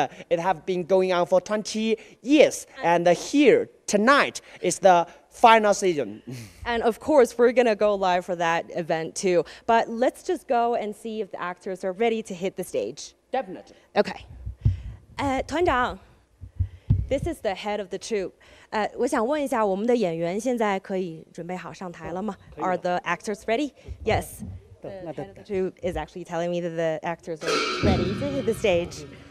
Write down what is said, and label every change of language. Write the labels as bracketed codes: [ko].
[en] It have been going on for 20 years, and here tonight is the final season. And of course, we're gonna go live for that event too. But let's just go and see if the actors are ready to hit the stage. Definitely. Okay. [zh] 团长, [en] this is the head of the troupe. [zh] 我想问一下我们的演员现在可以准备好上台了吗? [en] Are the actors ready? Yes. The head of the troupe is actually telling me that the actors are ready to hit the stage.